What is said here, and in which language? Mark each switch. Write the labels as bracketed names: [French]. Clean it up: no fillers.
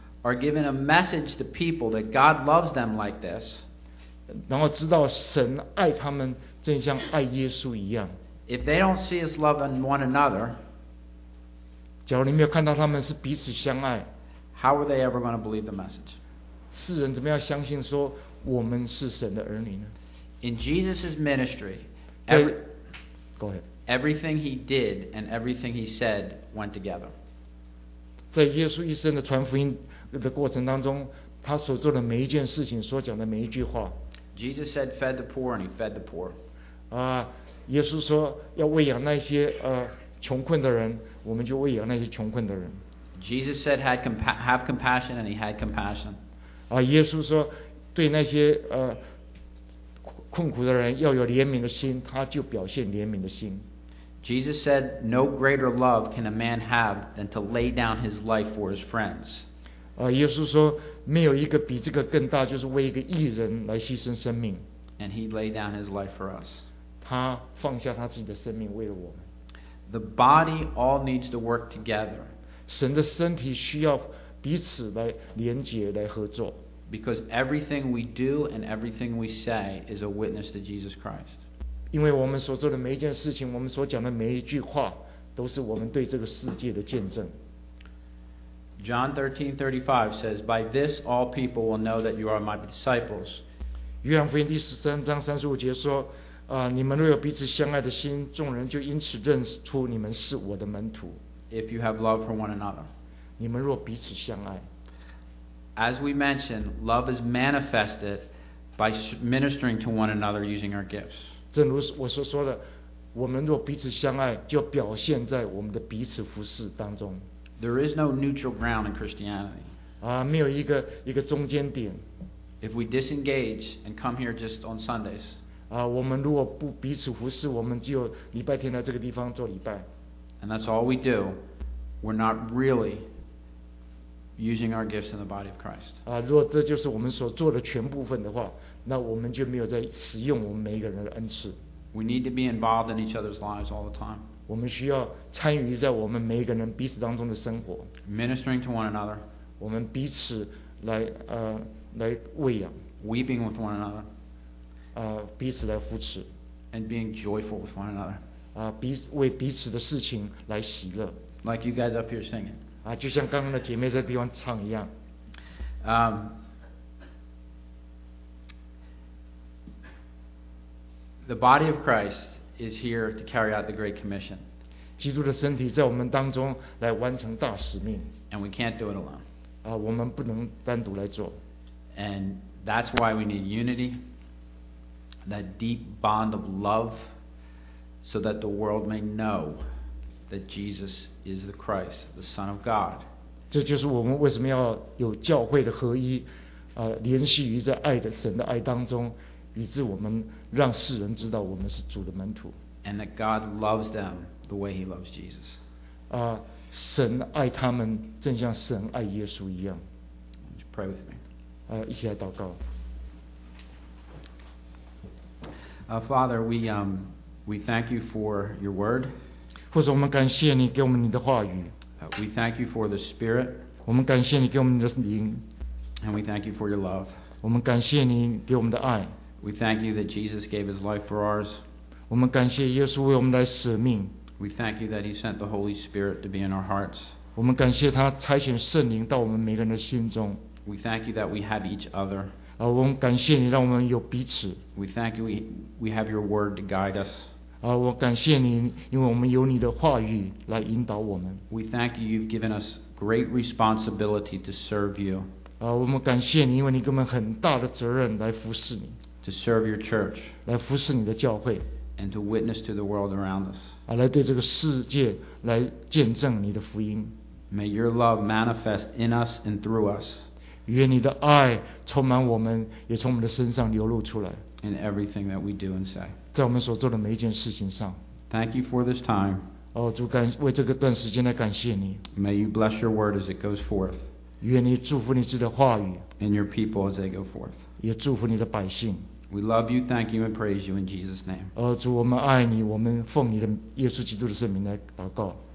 [English] are given a message to people that God loves them like this [Chinese] 然后知道神爱他们正像爱耶稣一样 [English] if they don't see us loving one another [Chinese] 假如你没有看到他们是彼此相爱 [English] how are they ever going to believe the message? [Chinese] 世人怎么样相信说我们是神的儿女呢 [English] in Jesus' ministry go ahead Everything he did and everything he said went together. [Chinese] 在耶稣一生的传福音的过程当中，他所做的每一件事情，所讲的每一句话。 [English] Jesus said, "Fed the poor," and he fed the poor. [Chinese] 耶稣说要喂养那些穷困的人，我们就喂养那些穷困的人。 [English] Jesus said, "Have compassion," and he had compassion. [Chinese] 耶稣说对那些困苦的人要有怜悯的心，他就表现怜悯的心。 [English] Jesus said, "No greater love can a man have than to lay down his life for his friends." [Chinese] 耶稣说，没有一个比这个更大，就是为一个义人来牺牲生命。 [English] And he laid down his life for us. [Chinese] 他放下他自己的生命为了我们。 [English] The body all needs to work together. [Chinese] 神的身体需要彼此来连结，来合作。 [English] Because everything we do and everything we say is a witness to Jesus Christ. [Chinese] 因为我们所做的每一件事情，我们所讲的每一句话，都是我们对这个世界的见证。 [English] John 13:35 says, "By this all people will know that you are my disciples." [Chinese] 约翰福音第十三章三十五节说，你们若有彼此相爱的心，众人就因此认出你们是我的门徒。 [English] If you have love for one another. [Chinese] 你们若彼此相爱。 [English] As we mentioned, love is manifested by ministering to one another using our gifts. [Chinese] 正如我所说的，我们若彼此相爱，就表现在我们的彼此服事当中。 [English] There is no neutral ground in Christianity. [Chinese] 没有一个中间点。 [English] If we disengage and come here just on Sundays. [Chinese] 我们如果不彼此服事，我们就礼拜天来这个地方做礼拜。 [English] And that's all we do. We're not really. Using our gifts in the body of Christ. [Chinese] 如果这就是我们所做的全部分的话，那我们就没有在使用我们每一个人的恩赐。 [English] We need to be involved in each other's lives all the time. [Chinese] 我们需要参与在我们每一个人彼此当中的生活。 [English] Ministering to one another. [Chinese] 我们彼此来喂养。 [English] Weeping with one another. [Chinese] 彼此来扶持。 [English] And being joyful with one another. [Chinese] 为彼此的事情来喜乐。 [English] Like you guys up here singing. [Chinese] 就像刚刚的姐妹在地方唱一样。 [English] The body of Christ is here to carry out the Great Commission. [Chinese] 基督的身体在我们当中来完成大使命。 [English] And we can't do it alone. [Chinese] 我们不能单独来做。 [English] And that's why we need unity, that deep bond of love, so that the world may know. That Jesus is the Christ, the Son of God. [Chinese] 这就是我们为什么要有教会的合一，联系于在爱的神的爱当中，以致我们让世人知道我们是主的门徒。 [English] And that God loves them the way He loves Jesus. [Chinese] 神爱他们正像神爱耶稣一样。 [English] Would you pray with me? [Chinese] 一起来祷告。 [English] Father, we thank you for your word. [Chinese] 或者我们感谢你给我们你的话语。 [English] We thank you for the Spirit. [Chinese] 我们感谢你给我们你的灵。 [English] And we thank you for your love. [Chinese] 我们感谢你给我们的爱。 [English] We thank you that Jesus gave his life for ours. [Chinese] 我们感谢耶稣为我们来舍命。 [English] We thank you that he sent the Holy Spirit to be in our hearts. [Chinese] 我们感谢他差遣圣灵到我们每个人的心中。 [English] We thank you that we have each other. [Chinese] 我们感谢你让我们有彼此。 [English] We thank you we have your word to guide us. [Chinese] 我感谢你，因为我们有你的话语来引导我们。 [English] We thank you. You've given us great responsibility to serve you. [Chinese] 我们感谢你，因为你给我们很大的责任来服侍你。 [English] To serve your church. [Chinese] 来服侍你的教会。 [English] And to witness to the world around us. [Chinese] 来对这个世界来见证你的福音。 [English] May your love manifest in us and through us. [Chinese] 愿你的爱充满我们，也从我们的身上流露出来。 [English] In everything that we do and say. [Chinese] 在我们所做的每一件事情上。 [English] Thank you for this time. [Chinese] 主感为这个段时间来感谢你。 [English] May you bless your word as it goes forth. [Chinese] 愿你祝福你自己的话语。 [English] And your people as they go forth. [Chinese] 也祝福你的百姓。 [English] We love you, thank you, and praise you in Jesus' name. [Chinese] 主我们爱你，我们奉你的耶稣基督的圣名来祷告。